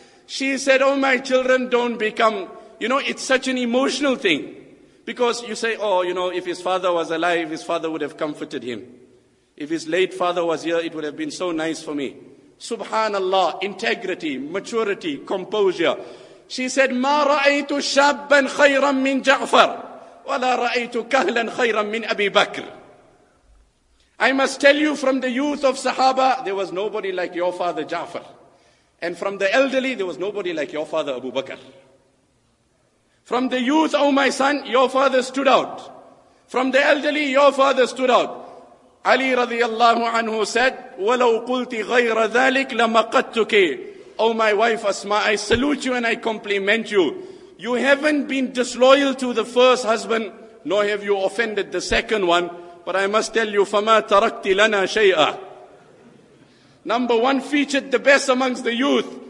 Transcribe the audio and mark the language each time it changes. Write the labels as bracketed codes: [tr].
[en] She said, oh, my children, don't become, you know, it's such an emotional thing. Because you say, oh, you know, if his father was alive, his father would have comforted him. If his late father was here, it would have been so nice for me. Subhanallah, integrity, maturity, composure. She said, [ar] ما رأيت شابا خيرا من جعفر ولا رأيت كهلا خيرا من أبي بكر. [en] I must tell you, from the youth of Sahaba, there was nobody like your father Ja'far. And from the elderly, there was nobody like your father Abu Bakr. From the youth, oh my son, your father stood out. From the elderly, your father stood out. Ali radiallahu anhu said, [ar] وَلَوْ قُلْتِ غَيْرَ ذَلِكَ لَمَقَدْتُكِ. [en] Oh my wife Asma, I salute you and I compliment you. You haven't been disloyal to the first husband, nor have you offended the second one. But I must tell you, [ar] فَمَا تَرَكْتِ لَنَا شَيْئًا. [en] Number one, featured the best amongst the youth.